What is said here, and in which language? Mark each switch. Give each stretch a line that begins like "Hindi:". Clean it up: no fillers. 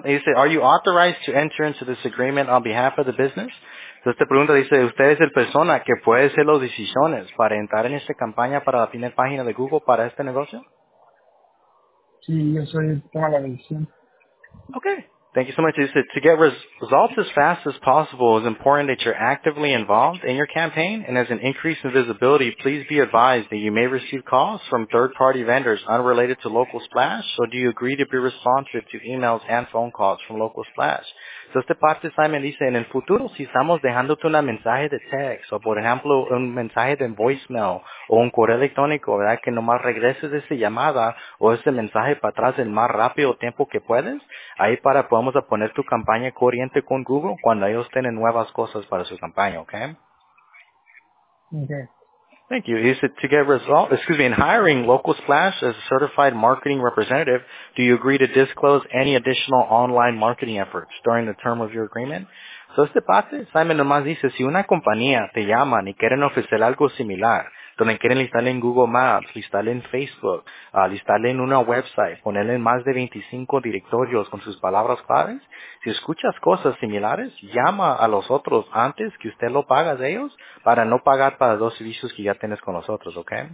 English: Dice, are you authorized to enter into this agreement on behalf of the business?
Spanish: Entonces te pregunta, dice, ¿usted es el persona que puede hacer las decisiones para entrar en esta campaña para la primera página de Google para este negocio? Sí, yo soy el que toma la decisión.
English: Okay. Thank you so much. Dice, to get results as fast as possible, it's important that you're actively involved in your campaign, and as an increase in visibility, please be advised that you may receive calls from third-party vendors unrelated to Local Splash, so do you agree to be responsive to emails and phone calls from Local Splash?
Spanish: So esta parte, Simon, dice, en el futuro, si estamos dejándote un mensaje de text, o por ejemplo, un mensaje de voicemail, o un correo electrónico, ¿verdad? Que nomás regreses esa llamada, o ese mensaje para atrás el más rápido tiempo que puedes, ahí para podemos a poner tu campaña corriente con Google cuando ellos tienen nuevas cosas para su campaña, ¿ok?
English: Ok. Thank you. Is it to get results? Excuse me. In hiring Local Splash as a certified marketing representative, do you agree to disclose any additional online marketing efforts during the term of your agreement?
Spanish: So este parte, Simon nomás dice, si una compañía te llama y quieren ofrecer algo similar, donde quieren listarle en Google Maps, listarle en Facebook, listarle en una website, ponerle en más de 25 directorios con sus palabras claves, si escuchas cosas similares, llama a los otros antes que usted lo paga de ellos para no pagar para los dos servicios que ya tienes con nosotros, ¿ok?